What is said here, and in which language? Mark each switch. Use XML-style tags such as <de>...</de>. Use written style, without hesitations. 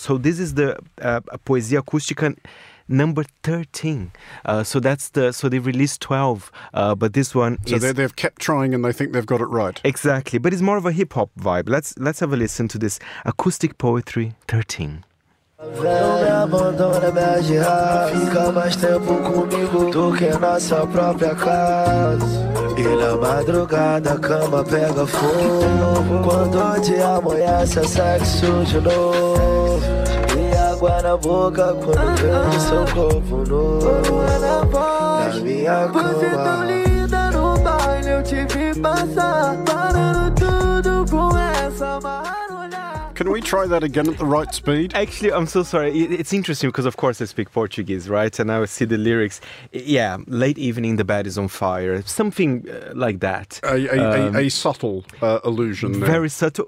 <en>So this is the Poesia Acústica number 13. So they released 12, but this one is... So they've kept trying and they think they've got it right. Exactly. But it's more of a hip-hop vibe. Let's have a listen to this acoustic poetry 13.</en> <pt>Não me abandona, me agirra. Fica mais tempo comigo do que na sua própria casa. E na madrugada a cama pega fogo. Quando o dia amanhece é sexo de novo. E água na boca quando vejo seu corpo nu. Na minha cama. Você tão linda no baile, eu te vi passar. Parando tudo com essa</pt> <en>Can we try that again at the right speed? Actually, I'm so sorry. It's interesting because, of course, I speak Portuguese, right? And I see the lyrics. Yeah, late evening, the bed is on fire. Something like that. A subtle allusion. Very subtle.</en>